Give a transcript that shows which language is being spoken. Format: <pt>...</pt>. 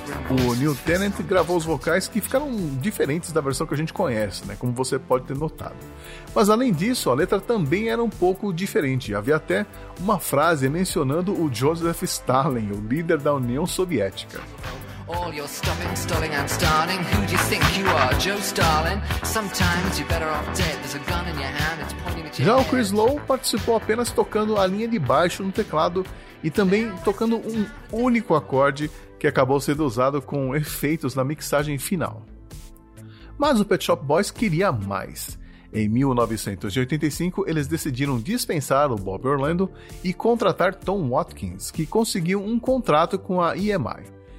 <pt>O Neil Tennant gravou os vocais que ficaram diferentes da versão que a gente conhece, né? Como você pode ter notado. Mas além disso, a letra também era um pouco diferente. Havia até uma frase mencionando o Joseph Stalin, o líder da União Soviética.</pt> <en>All your stopping, stalling and starting. Who do you think you are, Joe Stalin? Sometimes you're better off dead. There's a gun in your hand, it's pointing at your head.</en> <pt>Já o Chris Lowe participou apenas tocando a linha de baixo no teclado e também tocando um único acorde que acabou sendo usado com efeitos na mixagem final. Mas o Pet Shop Boys queria mais. Em 1985, eles decidiram dispensar o Bob Orlando e contratar Tom Watkins, que conseguiu um contrato com a EMI.</pt>